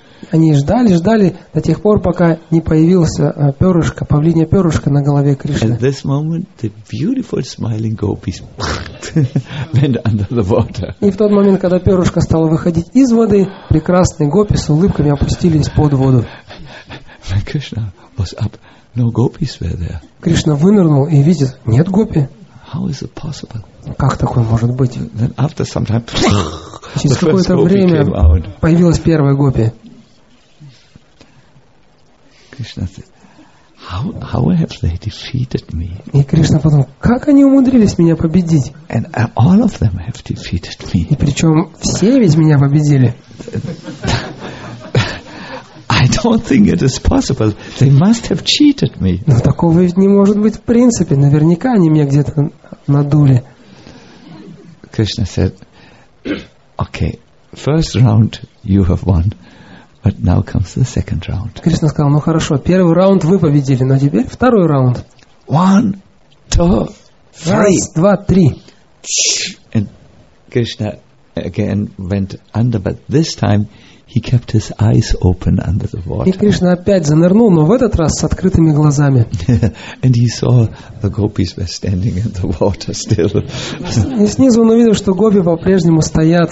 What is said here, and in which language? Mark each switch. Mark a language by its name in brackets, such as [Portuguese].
[Russian] Они ждали до тех пор, пока не появился перышко, павлинье перышко на голове Кришны. [English] At this moment, the beautiful smiling gopis went under the water. [Russian] И в тот момент, когда перышко стало выходить из воды, прекрасные гопи с улыбками опустились под воду. [English] When Krishna was up, no gopis were there. [Russian] Кришна вынырнул и видит, нет гопи. [English] How is it possible? [Russian] Как такое может быть? [English] Then after some time, [Russian] через какое-то время появилась первая гопи. [English] Krishna said, how have they defeated me? [Russian] И Кришна подумал, как они умудрились меня победить? [English] And all of them have defeated me. [Russian] И причем все ведь меня победили. [English] I don't think it is possible. They must have cheated me. [Russian] Но такого ведь не может быть в принципе. Наверняка они меня где-то надули. [English] Krishna said, okay, first round you have won. But now comes the second round. [Russian] Кришна сказал, ну хорошо, первый раунд вы победили, но теперь второй раунд. [English] 1, 2, 3. [Russian] Раз, два, три. [English] And Krishna again went under, but this time he kept his eyes open under the water. [Russian] И Кришна опять занырнул, но в этот раз с открытыми глазами. [English] And he saw the gopis were standing in the water still. [Russian] И снизу он увидел, что гопи по-прежнему стоят